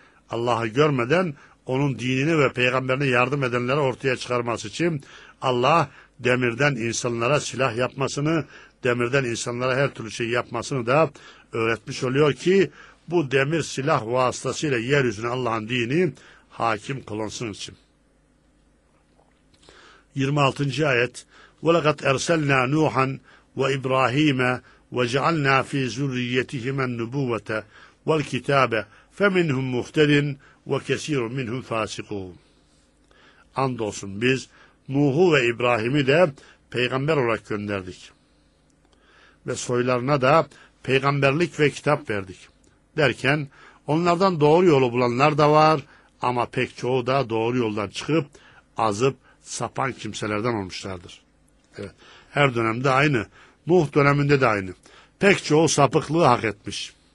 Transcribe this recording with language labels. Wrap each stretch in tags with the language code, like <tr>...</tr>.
<tr>Allah'ı görmeden onun dinini ve peygamberine yardım edenleri ortaya çıkarması için Allah demirden insanlara silah yapmasını, demirden insanlara her türlü şey yapmasını da öğretmiş oluyor ki bu demir silah vasıtasıyla yeryüzüne Allah'ın dini hakim kılınsın için. 26. ayet.</tr> <ar>وَلَقَدْ اَرْسَلْنَا نُوحًا وَاِبْرَاهِيمَ وَجَعَلْنَا ف۪ي ذُرِّيَّتِهِمَا النُّبُوَّةَ وَالْكِتَابَ فَمِنْهُمْ مُهْتَدٍ وَكَس۪يرٌ مِنْهُمْ فَاسِقُونَ.</ar> <tr>Andolsun biz Nuh'u ve İbrahim'i de peygamber olarak gönderdik. Ve soylarına da peygamberlik ve kitap verdik. Derken onlardan doğru yolu bulanlar da var ama pek çoğu da doğru yoldan çıkıp azıp sapan kimselerden olmuşlardır. Evet, her dönemde aynı. Nuh döneminde de aynı. Pek çoğu sapıklığı hak etmiş.</tr>